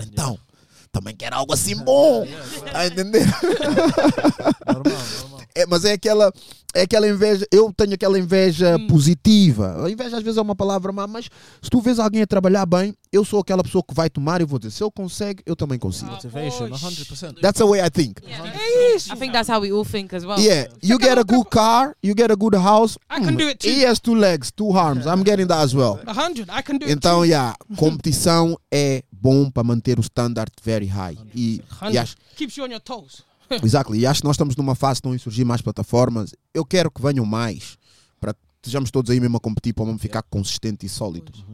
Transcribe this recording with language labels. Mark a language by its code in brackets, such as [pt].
[pt] Então, também quero algo assim bom. Está a entender? Normal. É, mas é aquela inveja. Eu tenho aquela inveja positiva. A inveja às vezes é uma palavra má, mas se tu vês alguém a trabalhar bem, eu sou aquela pessoa que vai tomar e vou dizer, se ele consegue, eu também consigo. [en] That's the way I think. Yeah. [pt] É isso. [en] I think that's how we all think as well. Yeah. You get a good car, you get a good house. I can do it too. He has two legs, two arms. I'm getting that as well. 100, I can do it. [pt] Então, competição é bom para manter o standard [en] very high. 100. Keeps you on your toes. Exactly, [pt] e acho que nós estamos numa fase que estão a surgir mais plataformas. Eu quero que venham mais para que estejamos todos aí mesmo a competir para o mesmo ficar consistente e sólido.